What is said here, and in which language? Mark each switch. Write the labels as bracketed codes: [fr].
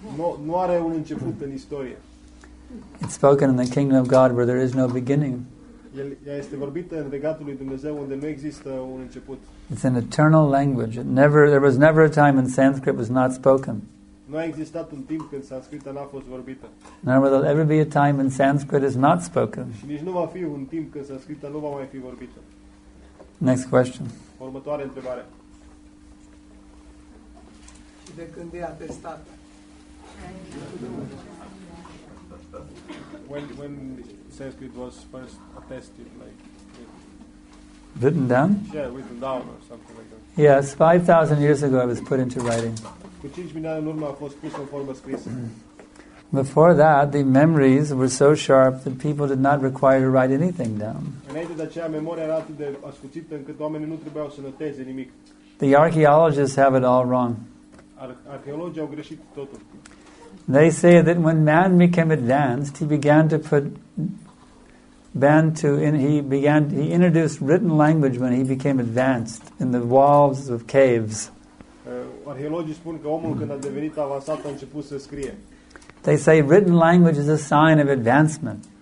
[ro] Nu are un început în istorie. [en] It's spoken in the kingdom of God where there is no beginning. [ro] Ea este vorbită în regatul lui Dumnezeu unde nu există un început. [en] It's an eternal language. There was never a time when Sanskrit was not spoken. [ro] Nu a existat un timp când Sanskrita n-a fost vorbită. [en] Nor will there ever be a time when Sanskrit is not spoken. [ro] Și nici nu va fi un timp când Sanskrita nu va mai fi vorbită. [en] Next question. [ro] Următoarea întrebare. Și de când e atestat? [en] When Sanskrit was first attested, written down? Yeah, written down or something like that. Yes, 5,000 years ago it was put into writing. [ro] Cu 5.000 de ani în urmă a fost pus în formă scrisă. [en] Before that, the memories were so sharp that people did not require to write anything down. [ro] Înainte de aceea, memoria era atât de ascuțită încât oamenii nu trebuiau să noteze nimic. [en] The archaeologists have it all wrong. [ro] Arheologii au greșit totul. [en] They say that when man became advanced, he began to put band to in, he introduced written language when he became advanced in the walls of caves. [ro] Arheologii spun că omul când a devenit avansat a început să scrie. [en] They say written language is a sign of advancement.